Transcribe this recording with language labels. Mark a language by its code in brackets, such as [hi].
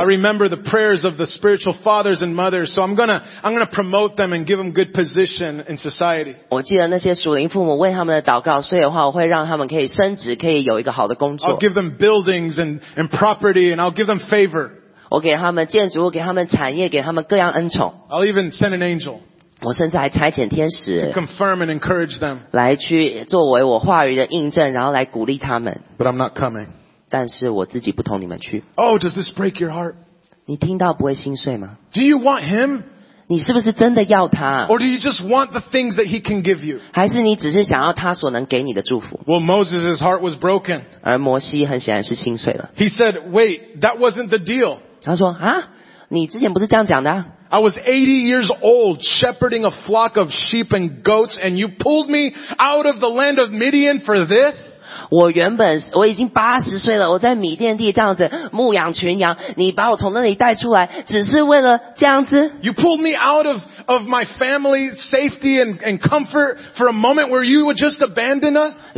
[en] I remember the prayers of the spiritual fathers and mothers, so I'm gonna promote them and give them good position in society. [zh] 我记得那些属灵父母为他们的祷告，所以的话我会让他们可以升职，可以有一个好的工作。 [en] I'll give them buildings and property, and I'll give them favor. [zh] 我给他们建筑，给他们产业，给他们各样恩宠。 [en] I'll even send an angel. [zh] 我甚至还差遣天使 [en] to confirm and encourage them, [zh] 来去作为我话语的印证，然后来鼓励他们。 [en] But I'm not coming. [zh] 但是我自己不同你们去。 [en] Oh, does this break your heart? [zh] 你听到不会心碎吗？ [en] Do you want him? [zh] 你是不是真的要他？ [en] Or do you just want the things that he can give you? [zh] 还是你只是想要他所能给你的祝福？ [en] Well, Moses' heart was broken. [zh] 而摩西很显然是心碎了。 [en] He said, wait, that wasn't the deal. [zh] 他说，啊？你之前不是这样讲的啊？ [en] I was 80 years old, shepherding a flock of sheep and goats, and you pulled me out of the land of Midian for this? [zh] 我已经80岁了，我在米甸地这样子牧养群羊，你把我从那里带出来，只是为了这样子？ [en] You pulled me out of my family safety and comfort for a moment where you would just abandon us?